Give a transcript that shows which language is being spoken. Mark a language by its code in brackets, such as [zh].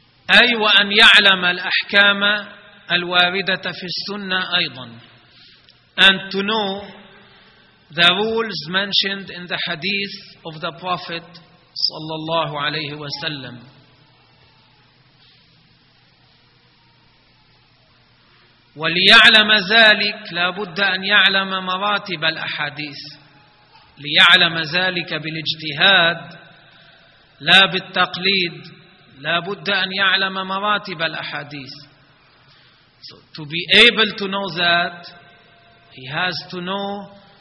[ar] أي وأن يعلم الأحكام الواردة في السنة أيضا. [en] And to know the rules mentioned in the hadith of the Prophet [ar] صلى الله عليه وسلم. وليعلم ذلك لابد أن يعلم مراتب الأحاديث. ليعلم ذلك بالاجتهاد لا بالتقليد لابد أن يعلم مراتب الأحاديث. [en] So, to be able to know that, he has to know